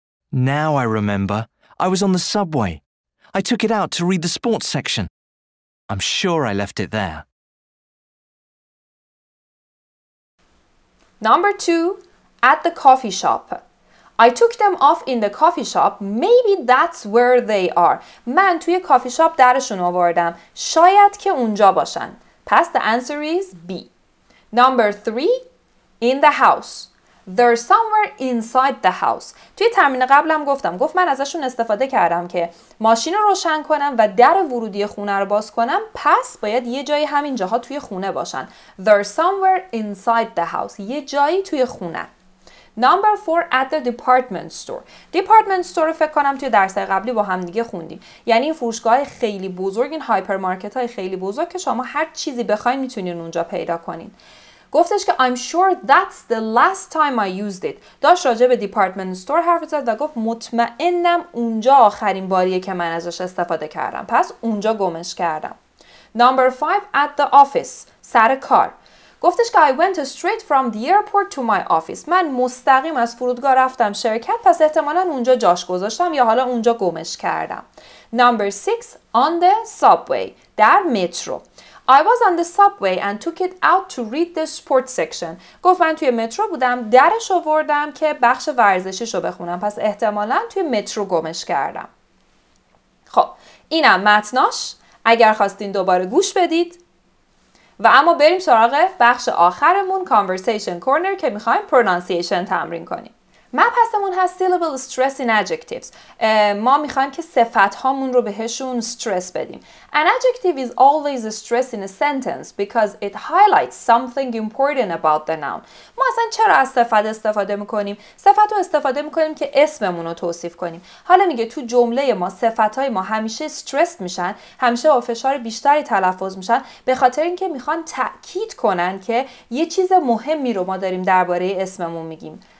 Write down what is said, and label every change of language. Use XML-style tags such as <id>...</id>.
<en>Now I remember. I was on the subway. I took it out to read the sports section. I'm sure I left it there. Number 2. At the coffee shop. I took them off in the coffee shop. Maybe that's where they are.</en> <fa>من توی کافی شاپ درشون آوردم. شاید که اونجا باشن.</fa> <en>Pass the answer is B. Number 3. In the house. They're somewhere inside the house.</en> <fa>توی تمرین قبلم گفتم. گفت من ازشون استفاده کردم که ماشین رو روشن کنم و در ورودی خونه رو باز کنم. پس باید یه جایی همین جاها توی خونه باشن.</fa> <en>They're somewhere inside the house.</en> <fa>یه جایی توی خونه.</fa> <en>Number 4 at the department store.</en> <fa>Department store رو فکر کنم توی درس قبلی با هم دیگه خوندیم. یعنی این فروشگاه خیلی بزرگ، این هایپرمارکت های خیلی بزرگ که شما هر چیزی بخواید میتونین اونجا پیدا کنین. گفتش که</fa> <en>I'm sure that's the last time I used it.</en> <fa>داشت راجع به department store حرف زد و گفت مطمئنم اونجا آخرین باریه که من ازش استفاده کردم. پس اونجا گمش کردم.</fa> <en>Number 5 at the office.</en> <fa>سر کار. گفتش که</fa> <en>I went straight from the airport to my office.</en> <fa>من مستقیم از فرودگاه رفتم شرکت پس احتمالاً اونجا جاش گذاشتم یا حالا اونجا گمش کردم.</fa> <en>Number 6 on the subway.</en> <fa>در مترو.</fa> <en>I was on the subway and took it out to read the sports section.</en> <fa>گفت من توی مترو بودم درش آوردم که بخش ورزشیشو بخونم پس احتمالاً توی مترو گمش کردم. خب اینم متناش. اگر خواستین دوباره گوش بدید و اما بریم سراغ بخش آخرمون conversation corner که میخوایم pronunciation تمرین کنیم. مبحثمون هست</fa> <en>syllable stress in adjectives.</en> <fa>ما میخوایم که صفت هامون رو بهشون stress بدیم.</fa> <en>An adjective is always a stress in a sentence because it highlights something important about the noun.</en> <fa>ما اصلا چرا از صفت استفاده میکنیم؟ صفت رو استفاده میکنیم که اسممون رو توصیف کنیم. حالا میگه تو جمله ما صفت های ما همیشه stress میشن، همیشه با فشار بیشتری تلفظ میشن به خاطر اینکه میخوان تأکید کنن که یه چیز مهمی رو ما داریم درباره اسممون میگیم.</fa>